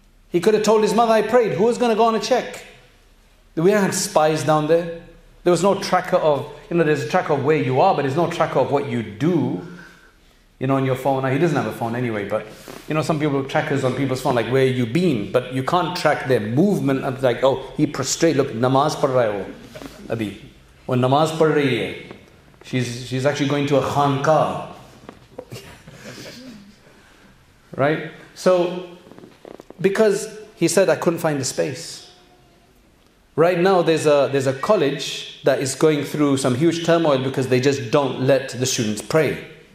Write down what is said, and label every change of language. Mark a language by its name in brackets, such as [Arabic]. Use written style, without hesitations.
[English] He could have told his mother I prayed. Who was going to go on a check? We had spies down there. There was no tracker of, you know, there's a tracker of where you are, but there's no tracker of what you do, you know, on your phone. He doesn't have a phone anyway, but, you know, some people have trackers on people's phone, like where you've been, but you can't track their movement. I'm like, oh, he prostrate. Look, [Urdu] نماز پڑھ رہے ہو، ابھی. اور نماز پڑھ رہے ہے۔ [English] She's actually going to a khanqah. Right? So, because he said I couldn't find the space. Right now there's a college that is going through some huge turmoil because they just don't let the students pray.